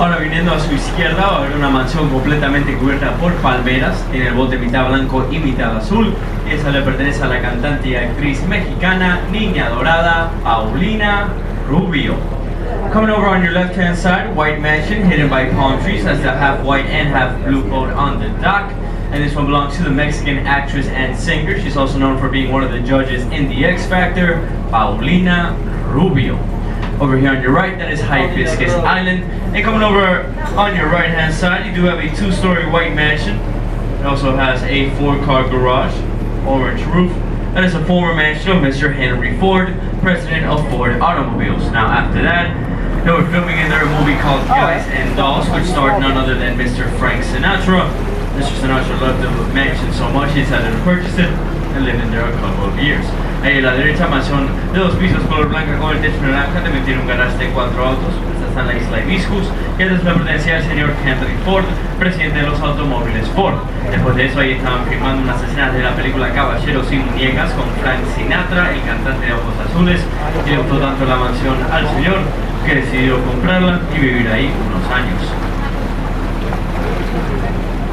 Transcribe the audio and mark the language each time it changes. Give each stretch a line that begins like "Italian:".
Spanish: Viendo a su izquierda va a haber una mansión completamente cubierta por palmeras. Tiene el bote mitad blanco y mitad azul. Esa le pertenece a la cantante y actriz mexicana, Niña Dorada, Paulina Rubio.
English: Coming over on your left hand side, white mansion hidden by palm trees, has the half white and half blue boat on the dock. And this one belongs to the Mexican actress and singer. She's also known for being one of the judges in The X Factor, Paulina Rubio. Over here on your right, that is Hibiscus Island. And coming over on your right hand side, you do have a two-story white mansion. It also has a four-car garage, orange roof. That is a former mansion of Mr. Henry Ford, president of Ford Automobiles. Now after that, they were filming in there a movie called Guys and Dolls, which starred none other than Mr. Frank Sinatra. Mr. Sinatra loved the mansion so much, he decided to purchase it and live in there a couple of years.
Spanish: Ahí a la derecha, mansión de dos pisos color blanca con el techo naranja, también tiene un garaje de cuatro autos. Esta está en la isla Hibiscus, que es la pertenencia del señor Henry Ford, presidente de los automóviles Ford. Después de eso, ahí estaban filmando unas escenas de la película Caballeros sin Muñecas con Frank Sinatra, el cantante de Ojos Azules, y le gustó tanto la mansión al señor que decidió comprarla y vivir ahí unos años.